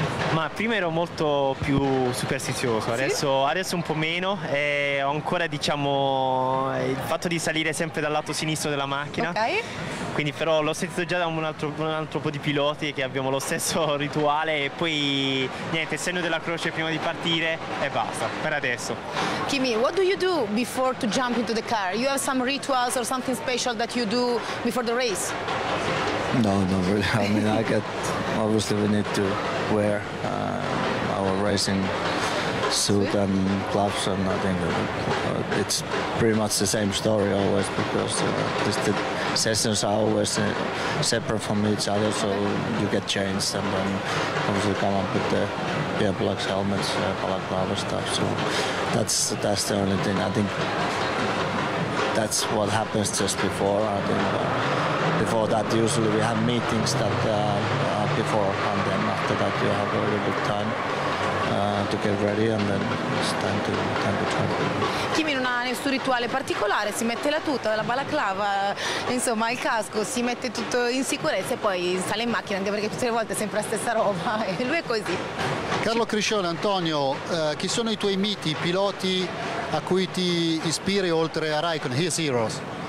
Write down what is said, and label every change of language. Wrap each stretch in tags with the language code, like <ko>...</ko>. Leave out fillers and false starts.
<it>Ma prima ero molto più superstizioso, adesso un po' meno, e ho ancora, diciamo, il fatto di salire sempre dal lato sinistro della macchina.</it> <en>Okay.</en> <it>Quindi però l'ho sentito già da un altro po' di piloti che abbiamo lo stesso rituale, e poi niente, segno della croce prima di partire e basta per adesso.</it> <en>Kimi, what do you do before to jump into the car? You have some rituals or something special that you do before the race? No, not really. I mean, I get, obviously we need to wear our racing suit and gloves, and I think it's pretty much the same story always, because the sessions are always separate from each other, so you get changed and then obviously come up with the earplugs, helmets, balaclava stuff. So that's the only thing. I think that's what happens just before. I think before that, usually we have meetings that before, and then after that you have a little bit of time to get ready, and then it's time to try.</en> <it>Kimi non ha nessun rituale particolare, si mette la tuta, la balaclava, insomma il casco, si mette tutto in sicurezza e poi sale in macchina, anche perché tutte le volte è sempre la stessa roba, e lui è così. Carlo Criscione, Antonio, chi sono i tuoi miti, i piloti a cui ti ispiri oltre a Raikkonen,</it> <en>his heroes?</en>